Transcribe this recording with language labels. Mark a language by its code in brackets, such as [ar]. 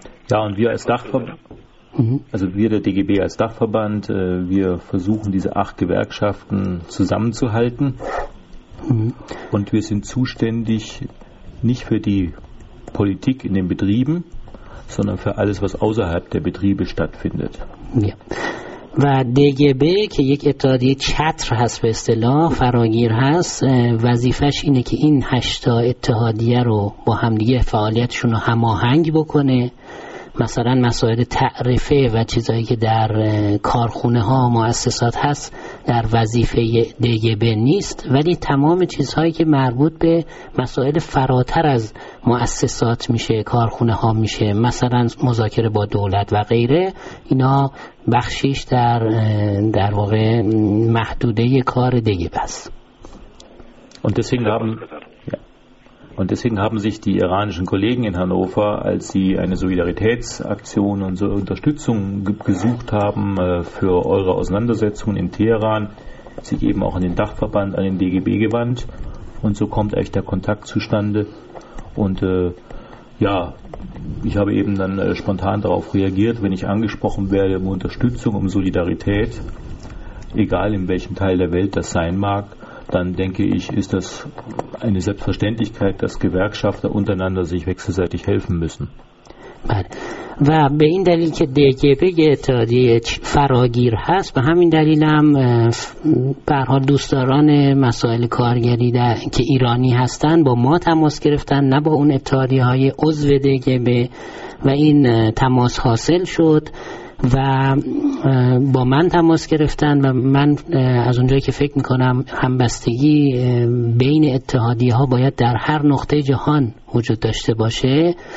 [de] Ja, und wir als Dachverband, also wir der DGB als Dachverband, wir versuchen diese 8 Gewerkschaften zusammenzuhalten. Und wir sind zuständig nicht für die Politik in den Betrieben, sondern für alles, was außerhalb der Betriebe stattfindet. Ja. [fa] و DGB که یک اتحادیه چتر هست به اصطلاح، فراگیر هست، وظیفش اینه که این 8 تا اتحادیه رو با همدیگه فعالیتشون رو هماهنگ بکنه. مثلا مسائل تعرفه و چیزایی که در کارخونه ها و مؤسسات هست در وظیفه DGB نیست، ولی تمام چیزهایی که مربوط به مسائل فراتر از مؤسسات میشه، کارخونه ها میشه، مثلا مذاکره با دولت و غیره، اینا بخشیش در واقع محدوده کار DGB است. [de] و Und deswegen haben sich die iranischen Kollegen in Hannover, als sie eine Solidaritätsaktion und so Unterstützung gesucht haben für eure Auseinandersetzungen in Teheran, sich eben auch an den Dachverband, an den DGB gewandt. Und so kommt eigentlich der Kontakt zustande. Und ja, ich habe eben dann spontan darauf reagiert, wenn ich angesprochen werde um Unterstützung, um Solidarität, egal in welchem Teil der Welt das sein mag, dann denke ich, ist das eine Selbstverständlichkeit, dass Gewerkschafter untereinander sich wechselseitig helfen müssen. [fa] و به این دلیل که DGB اتحادیه فراگیر هست، به همین دلیل هم برها دوستداران مسائل کارگری که ایرانی هستن با ما تماس گرفتن، نه با اون اتحادیه های عضو DGB، و این تماس حاصل شد و با من تماس گرفتن، و من از اونجایی که فکر میکنم همبستگی بین اتحادیه ها باید در هر نقطه جهان وجود داشته باشه،